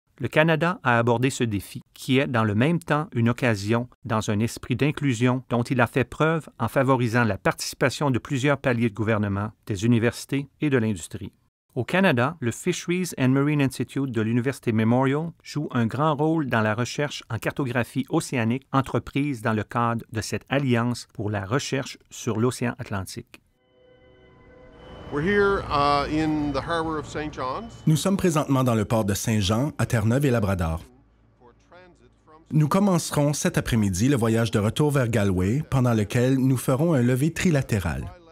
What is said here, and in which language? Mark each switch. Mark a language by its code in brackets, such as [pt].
[fr] Le Canada a abordé ce défi, qui est dans le même temps une occasion dans un esprit d'inclusion dont il a fait preuve en favorisant la participation de plusieurs paliers de gouvernement, des universités et de l'industrie. Au Canada, le Fisheries and Marine Institute de l'Université Memorial joue un grand rôle dans la recherche en cartographie océanique entreprise dans le cadre de cette alliance pour la recherche sur l'océan Atlantique. [en] We're here, in the harbor of St. John's. [fr] Nous sommes présentement dans le port de Saint-Jean, à Terre-Neuve-et-Labrador. Nous commencerons cet après-midi le voyage de retour vers Galway, pendant lequel nous ferons un lever trilatéral.